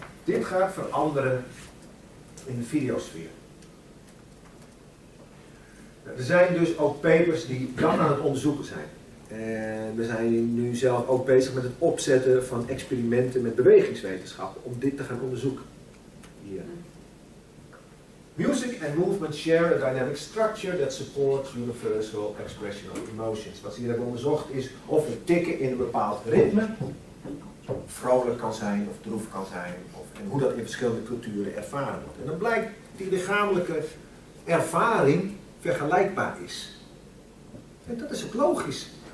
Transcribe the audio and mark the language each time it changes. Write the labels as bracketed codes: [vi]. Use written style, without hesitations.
[nl] Dit gaat veranderen in de videosfeer. Er zijn dus ook papers die dan aan het onderzoeken zijn. En we zijn nu zelf ook bezig met het opzetten van experimenten met bewegingswetenschappen om dit te gaan onderzoeken. Hier. [en] Music and movement share a dynamic structure that supports universal expression of emotions. [nl] Wat ze hier hebben onderzocht is of het tikken in een bepaald ritme vrolijk kan zijn of droef kan zijn. En hoe dat in verschillende culturen ervaren wordt. En dan blijkt die lichamelijke ervaring... vergelijkbaar is. En dat is ook logisch.